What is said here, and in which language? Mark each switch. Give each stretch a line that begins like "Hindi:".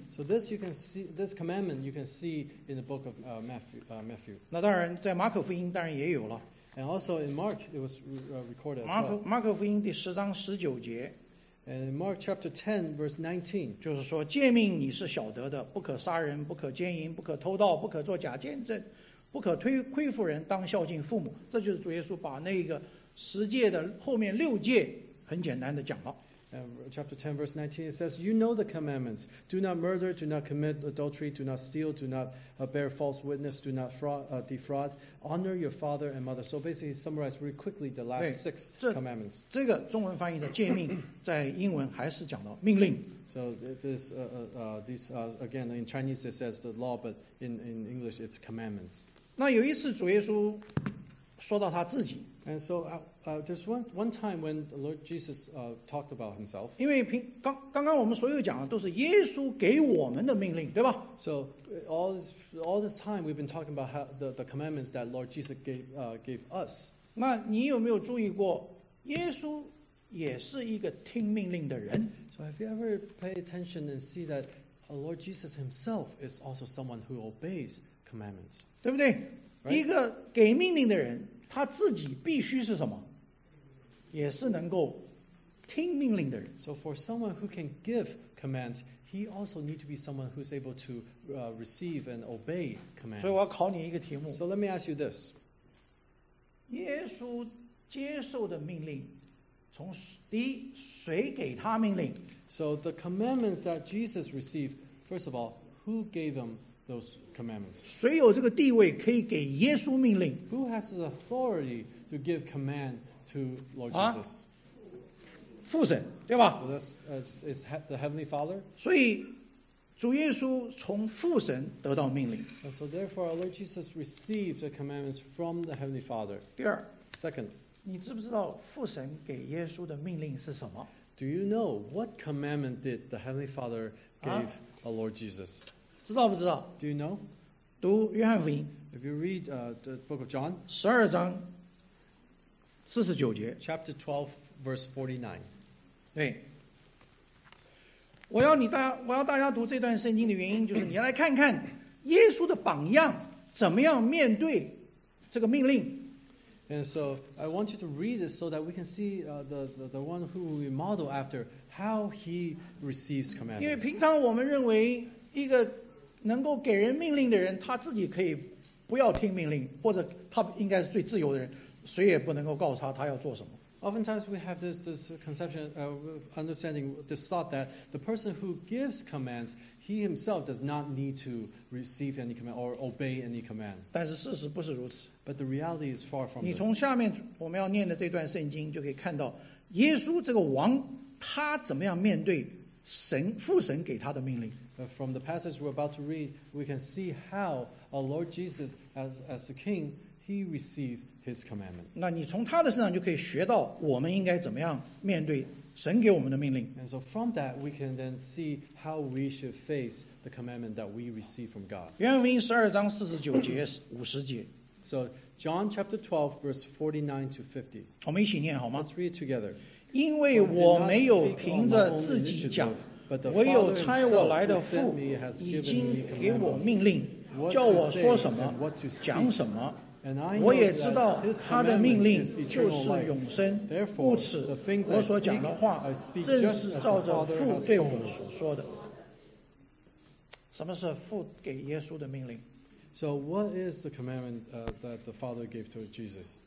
English: So this you can see this commandment you can see in the book of Matthew.
Chinese: 那当然，在马可福音当然也有了。
English: And also in Mark it was recorded as well.
Chinese: 马可福音第十章十九节。
English: And in Mark chapter 10, verse 19,
Chinese: 就是说诫命你是晓得的，不可杀人，不可奸淫，不可偷盗，不可做假见证，不可亏负人，当孝敬父母。这就是主耶稣把那个十诫的后面六诫很简单的讲了。
English: Chapter 10, verse 19, it says, you know the commandments. Do not murder, do not commit adultery, do not steal, do not bear false witness, do not defraud. Honor your father and mother. So basically, he summarized really quickly the last six commandments.
Chinese: 这个中文翻译的诫命在英文还是讲到命令。
English: So this, again, in Chinese it says the law, but in English it's commandments.
Chinese: 那有一次主耶稣说到他自己。
English: And so there's one time when the Lord Jesus talked about himself.
Chinese: 因为刚刚我们所有讲的都是耶稣给我们的命令，对吧？
English: So all this time we've been talking about how the commandments that Lord Jesus gave us.
Chinese: 那你有没有注意过，耶稣也是一个听命令的人？
English: So have you ever paid attention and see that Lord Jesus himself is also someone who obeys commandments?
Chinese: 对不对？
English: Right?
Chinese: 一个给命令的人。他自己必须是什么？也是能够听命令的人。
English: So for someone who can give commands, he also need to be someone who's able to receive and obey commands.
Chinese: 所以我要考你一个题目。
English: So let me ask you this.
Chinese: 耶稣接受的命令，从第一，谁给他命令？
English: So the commandments that Jesus received, first of all, who gave them? Those commandments.
Chinese: 谁有这个地位可以给耶稣命令？
English: Who has the authority to give command to Lord Jesus?
Chinese: 父神，对吧？
English: So that's is the Heavenly Father.
Chinese: 所以主耶稣从父神得到命令。
English: And so therefore, our Lord Jesus received the commandments from the Heavenly Father.
Chinese: 第二
English: ，Second，
Chinese: 你知不知道父神给耶稣的命令是什么？
English: Do you know what commandment did the Heavenly Father gave our Lord Jesus?
Chinese: 知道不知道
English: ？Do you know？
Chinese: 读约翰福音。
English: If you read the book of John，
Chinese: 十二章四十九节
English: ，Chapter 12, verse 49。
Chinese: 对，我要大家读这段圣经的原因，就是你来看看耶稣的榜样，怎么样面对这个命令。
English: And so I want you to read this so that we can see the one who we model after how he receives commands.
Chinese: 因为平常我们认为一个能够给人命令的人，他自己可以不要听命令，或者他应该是最自由的人，谁也不能够告诉他他要做什么。
English: Oftentimes we have this conception, understanding, this thought that the person who gives commands, he himself does not need to receive any command or obey any command.
Chinese: 但是事实不是如此。
English: But the reality is far from this.
Chinese: 你从下面我们要念的这段圣经就可以看到，耶稣这个王，他怎么样面对神父神给他的命令。
English: From the passage we're about to read, we can see how our Lord Jesus, as the King, he received his commandment.
Chinese: 那你从他的身上就可以学到我们应该怎么样面对神给我们的命令。
English: And so from that, we can then see how we should face the commandment that we receive from God.
Chinese: 原文十二章四十九节五十节。
English: So John chapter 12, verse 49 to 50.
Chinese: 我们一起念好吗？
English: Let's read it together.
Chinese: 因为我没有凭着自己讲。唯有差我来的父已经给我命令，叫我说什么讲什么，我也知道他的命令就是永生，故此我所讲的话正是照着父对我所说的。什么是父给耶稣的命令？
English: So what is the commandment that the Father gave to Jesus?